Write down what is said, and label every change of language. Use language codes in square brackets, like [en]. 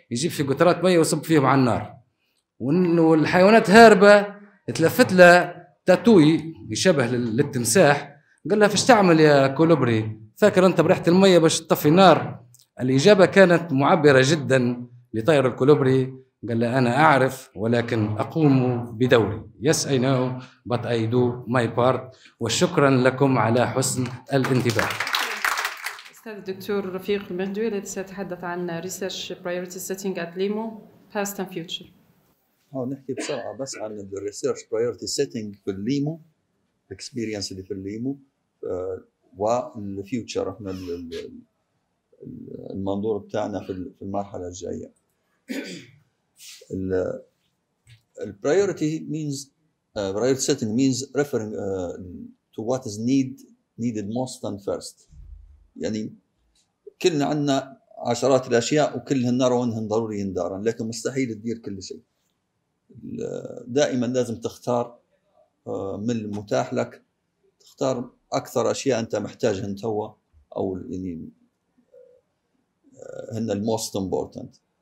[ar] يجيب في قطرات مية ويصب فيهم على النار، وأنه الحيوانات هاربة تلفت لها تاتوي يشبه للتمساح، قال لها فاش تعمل يا كولوبري، فاكر أنت بريحة المية باش تطفي النار؟ الإجابة كانت معبرة جدا لطير الكولوبري، قال لها أنا أعرف ولكن أقوم بدوري. [en] Yes I know but I do my part. [ar] وشكرا لكم على حسن الانتباه. أستاذ الدكتور رفيق المهدوي الذي سيتحدث عن [en] research priority setting at LIMU past and future. [ar] هون نحكي بسرعة بس عن [en] the research priority setting [ar] في LIMU experience اللي في LIMU والفيوتشر احنا المنظور بتاعنا في المرحلة الجاية. [en] الـ priority means priority setting means referring to what is needed most and first. [ar] يعني كلنا عندنا عشرات الأشياء وكلهن نرى أنهن ضروريين دارا، لكن مستحيل تدير كل شيء. دائما لازم تختار من المتاح لك، تختار أكثر أشياء أنت محتاجهن توا أو يعني هن [en] the most important.